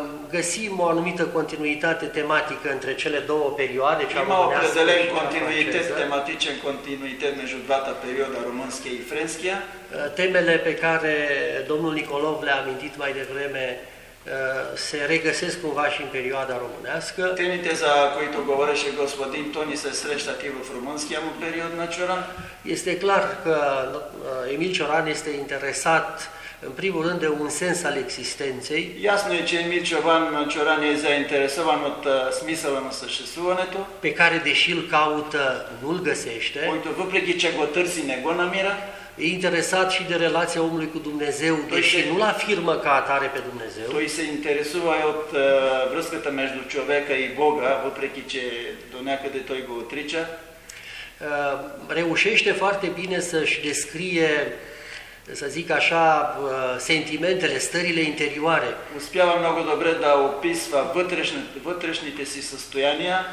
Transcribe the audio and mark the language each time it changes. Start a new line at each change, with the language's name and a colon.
Romanian: Găsim o anumită continuitate tematică între cele două perioade, cea română.
Bulgarian: Am prezelem continuități tematice în continuitate между двата периода românskia și franskia.
Romanian: Temele pe care domnul Nicolov le-a amintit mai devreme se regăsesc cumva și în perioada românească.
Bulgarian: Temele za които говореше господин Тони се срещат и в румънския му период на Cioran.
Romanian: Este clar că Emil Cioran este interesat în primul rând de un sens al existenței.
Bulgarian: Ясно е, че Мирчо Иван Чоран е заинтересован от смисъла на съществуването,
Romanian: pe care deși îl caută, nu-l găsește.
Bulgarian: Който въпреки че го търси, не го намира.
Romanian: E interesat și de relația omului cu Dumnezeu, deși nu-l afirmă ca atare pe Dumnezeu.
Bulgarian: Той се интересува от връзката между човека и Бога, въпреки че до някъде той го отрича.
Romanian: Reușește foarte bine să-și descrie, să zic așa, sentimentele, stările interioare.
Bulgarian: Успява много добре да описва вътрешните си състояния.